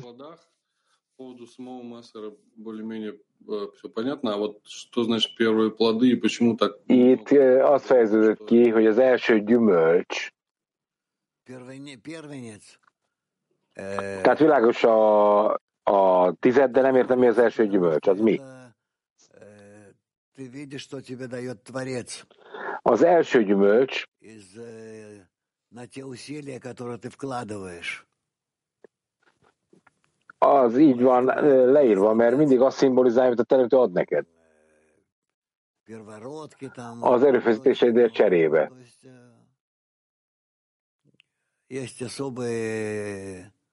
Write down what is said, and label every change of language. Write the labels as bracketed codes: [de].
[ru] По поводу самого мастера более-менее все понятно. А вот что значит первые плоды и почему так... [hu] Itt azt fejeződött ki, hogy az első gyümölcs... [ru] Первенец. [hu] Tehát világos a tized, de nem értem, mi az első gyümölcs, az mi? [ru] Ты видишь, что тебе дает Творец. [hu] Az első gyümölcs [ru] is на те усилия, которые ты вкладываешь. [hu] Az így van leírva, mert mindig azt szimbolizálja, amit a teremtő ad neked. [ru] Первородки там. [hu] Az erőfeszítéseidért cserébe. [ru] Есть особые.